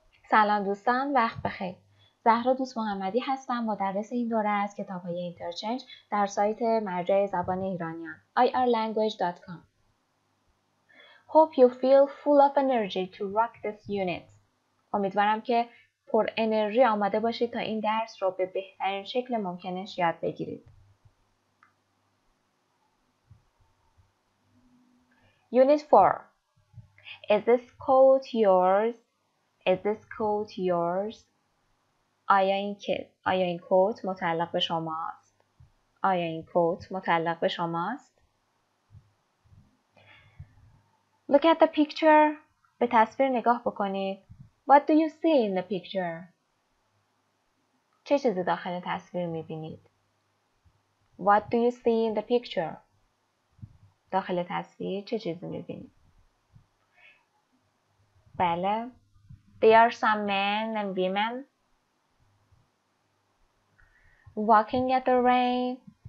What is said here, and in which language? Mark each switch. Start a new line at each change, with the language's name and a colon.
Persian: سلام دوستان، وقت بخیر. زهرا دوست محمدی هستم، مدرس این دوره از کتابهای اینترچنج در سایت مرجع زبان ایرانیان irlanguage.com.
English: Hope you feel full of energy to rock this unit.
Persian: امیدوارم که پر انرژی آماده باشید تا این درس رو به بهترین شکل ممکنش یاد بگیرید.
English: Unit 4. Is this coat yours? Is this coat yours?
Persian: آیا این کت متعلق به شماست؟
English: Look at the picture.
Persian: به تصویر نگاه بکنید.
English: What do you see in the picture?
Persian: چه چیزی داخل تصویر می‌بینید؟
English: What do you see in the picture?
Persian: داخل تصویر چه چیزی می‌بینید؟ بله.
English: There are some men and women walking at the rain.